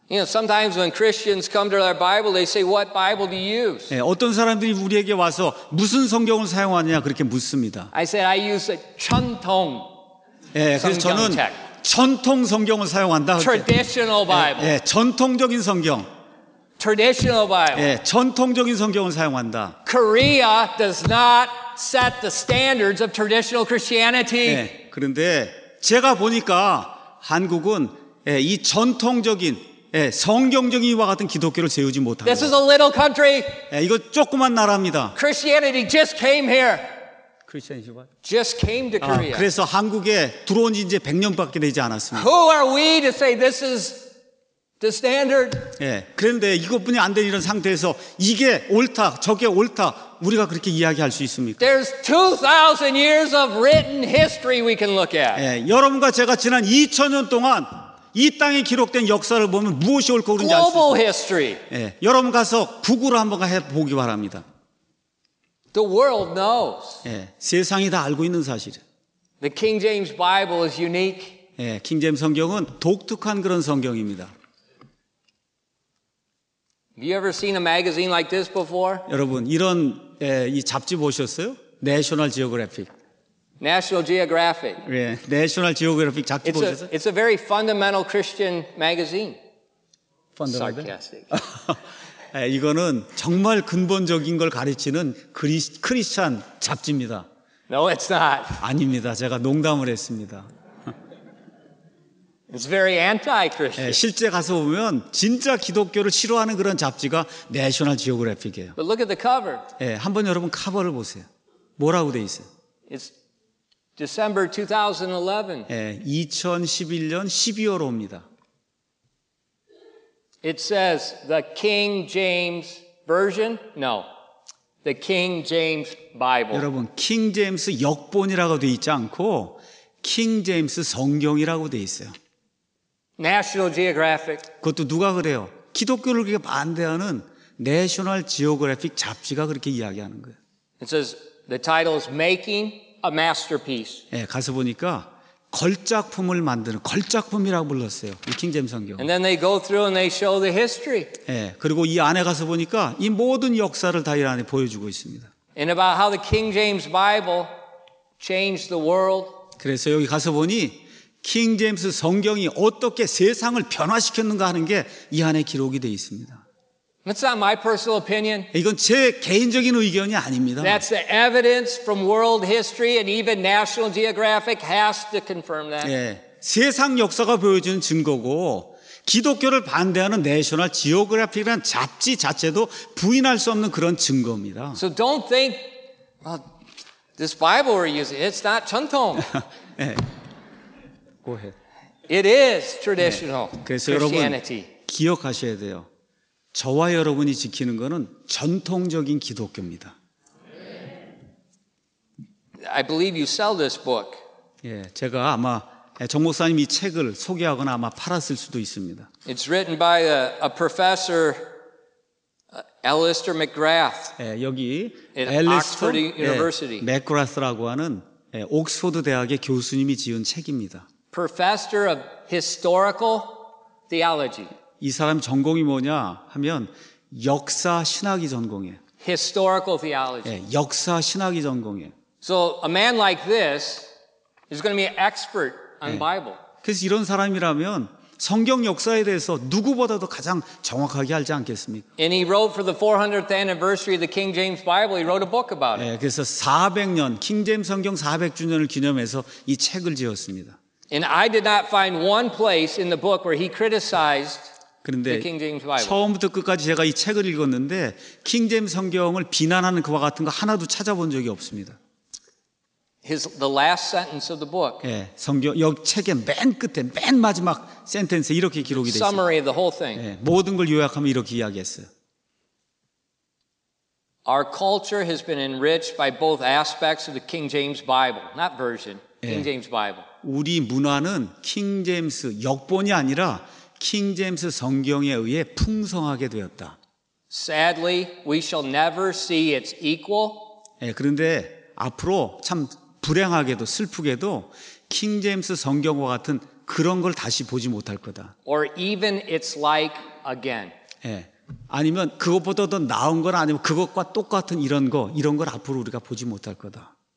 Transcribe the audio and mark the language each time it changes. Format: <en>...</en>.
<en>You know, sometimes when Christians come to our Bible, they say, "What Bible do you use?"</en> <ko>예, 어떤 사람들이 우리에게 와서 무슨 성경을 사용하느냐 그렇게 묻습니다.</ko> <en>I said, "I use a 전통."</en> <ko>예, 그래서 저는 전통 성경을 사용한다.</ko> <en>Traditional Bible.</en> <ko>예, 전통적인 성경.</ko> <en>Traditional Bible.</en> <ko>예, 전통적인 성경을 사용한다.</ko> <en>Korea does not set the standards of traditional Christianity.</en> <ko>예, 그런데 제가 보니까 한국은 예, 이 전통적인 예, 성경적인 이와 같은 기독교를 세우지 못합니다.</ko> <en>This is a little country.</en> <ko>예, 이거 조그만 나라입니다.</ko> <en>Christianity just came here. Christianity what? Just came to Korea.</en> <ko>아, 그래서 한국에 들어온 지 이제 100년밖에 되지 않았습니다.</ko> <en>Who are we to say this is the standard?</en> <ko>예, 그런데 이것뿐이 안 되는 이런 상태에서 이게 옳다, 저게 옳다, 우리가 그렇게 이야기할 수 있습니까?</ko> <en>There's 2,000 years of written history we can look at.</en> <ko>예, 여러분과 제가 지난 2,000년 동안 이 땅에 기록된 역사를 보면 무엇이 옳고 그런지 알 수 있어요.</ko> <en>Global history.</en> <ko>예, 여러분 가서 구글을 한번 해보기 바랍니다.</ko> <en>The world knows.</en> <ko>예, 세상이 다 알고 있는 사실.</ko> <en>The King James Bible is unique.</en> <ko>예, 킹제임스 성경은 독특한 그런 성경입니다.</ko> <en>Have you ever seen a magazine like this before?</en> <ko>여러분, 이런 예, 이 잡지 보셨어요?</ko> <en>National Geographic. National Geographic.</en> <ko>예, National Geographic 잡지</ko> <en>it's</en> <ko>보셨어요?</ko> <en>It's a very fundamental Christian magazine. Fundamental? Sarcastic.</en> <ko>예, 이거는 정말 근본적인 걸 가르치는 크리스찬 잡지입니다.</ko> <en>No, it's not.</en> <ko>아닙니다. 제가 농담을 했습니다.</ko> <en>It's very anti-Christian.</en> <ko>예, 실제 가서 보면 진짜 기독교를 싫어하는 그런 잡지가 National Geographic이에요.</ko> <en>But look at the cover.</en> <ko>예, 한번 여러분 커버를 보세요. 뭐라고 돼 있어요?</ko> <en>It's December 2011.</en> <ko>예, 2011년 12월 호입니다.</ko> <en>It says the King James Version? No. The King James Bible.</en> <ko>여러분, 킹제임스 역본이라고 돼 있지 않고 킹제임스 성경이라고 돼 있어요.</ko> <en>National Geographic.</en> <ko>그것도 누가 그래요? 기독교를 그렇게 반대하는 National Geographic 잡지가 그렇게 이야기하는 거예요.</ko> <en>It says the title is Making a Masterpiece.</en> <ko>예, 가서 보니까 걸작품을 만드는 걸작품이라고 불렀어요. 이 킹제임스 성경.</ko> <en>And then they go through and they show the history.</en> <ko>예, 그리고 이 안에 가서 보니까 이 모든 역사를 다 이 안에 보여주고 있습니다.</ko> <en>And about how the King James Bible changed the world.</en> <ko>그래서 여기 가서 보니 킹제임스 성경이 어떻게 세상을 변화시켰는가 하는 게 이 안에 기록이 돼 있습니다.</ko> <en>That's not my personal opinion.</en> <ko>이건 제 개인적인 의견이 아닙니다.</ko> <en>That's the evidence from world history and even National Geographic has to confirm that.</en> <ko>예, 세상 역사가 보여주는 증거고 기독교를 반대하는 National Geographic이라는 잡지 자체도 부인할 수 없는 그런 증거입니다.</ko> <en>So don't think this Bible we're using, it's not 전통. 예. Go ahead. It is traditional Christianity.</en> <ko>그래서 여러분 기억하셔야 돼요. 저와 여러분이 지키는 것은 전통적인 기독교입니다.</ko> <en>I believe you sell this book.</en> <ko>예, 제가 아마 정 목사님이 책을 소개하거나 아마 팔았을 수도 있습니다.</ko> <en>It's written by a professor, Alistair McGrath.</en> <ko>예, 여기 Alistair University. 맥그라스라고 하는 옥스퍼드 대학의 교수님이 지은 책입니다.</ko> <en>Professor of historical theology.</en> <ko>이 사람 전공이 뭐냐 하면 역사 신학이 전공이에요.</ko> <en>Historical theology.</en> <ko>예, 역사 신학이 전공이에요.</ko> <en>So a man like this is going to be an expert on the Bible.</en> <ko>그래서 이런 사람이라면 성경 역사에 대해서 누구보다도 가장 정확하게 알지 않겠습니까?</ko> <en>And he wrote for the 400th anniversary of the King James Bible. He wrote a book about it.</en> <ko>예, 그래서 400년 킹 제임스 성경 400주년을 기념해서 이 책을 지었습니다.</ko> <en>And I did not find one place in the book where he criticized the King James Bible.</en> <ko>처음부터 끝까지 제가 이 책을 읽었는데 킹 제임스 성경을 비난하는 그와 같은 거 하나도 찾아본 적이 없습니다.</ko> <en>The last sentence of the book.</en> <ko>예, 성경 역 책의 맨 끝에 맨 마지막 센텐스 이렇게 기록이 돼 있어요.</ko> <en>Summary of the whole thing.</en> <ko>예, 모든 걸 요약하면 이렇게 이야기했어요.</ko> <en>Our culture has been enriched by both aspects of the King James Bible, not version. King James Bible.</en> <ko>우리 문화는 킹 제임스 역본이 아니라 킹 제임스 성경에 의해 풍성하게 되었다.</ko> <en>Sadly, we shall never see its equal.</en> <ko>예, 그런데 앞으로 참 불행하게도 슬프게도 킹 제임스 성경과 같은 그런 걸 다시 보지 못할 거다.</ko> <en>Or even its like again.</en> <ko>예, 아니면 그것보다 더 나은 건 아니면 그것과 똑같은 이런 걸 앞으로 우리가 보지 못할 거다.</ko>